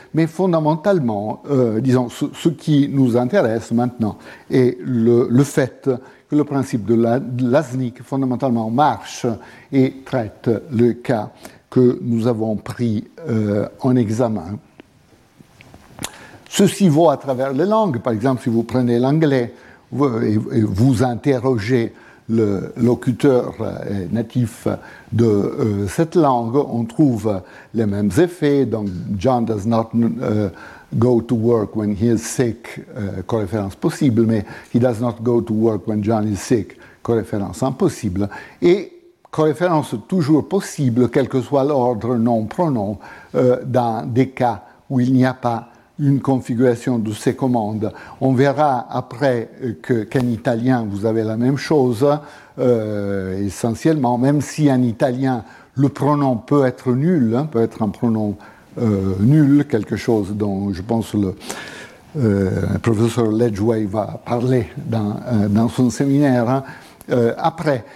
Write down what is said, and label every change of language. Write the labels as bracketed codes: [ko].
[fr] Mais fondamentalement, disons, ce qui nous intéresse maintenant est le fait que le principe de la SNIC fondamentalement marche et traite le cas que nous avons pris en examen. Ceci vaut à travers les langues. Par exemple, si vous prenez l'anglais et vous interrogez le locuteur natif de cette langue, on trouve les mêmes effets. [en] Donc, John does not go to work when he is sick, [fr] coréférence possible, mais [en] he does not go to work when John is sick, [fr] coréférence impossible. Et coréférence toujours possible, quel que soit l'ordre nom-pronom, dans des cas où il n'y a pas une configuration de ces commandes. On verra après qu'en italien, vous avez la même chose, essentiellement, même si en italien, le pronom peut être nul, hein, peut être un pronom nul, quelque chose dont je pense le professeur Ledgway va parler dans son séminaire, après.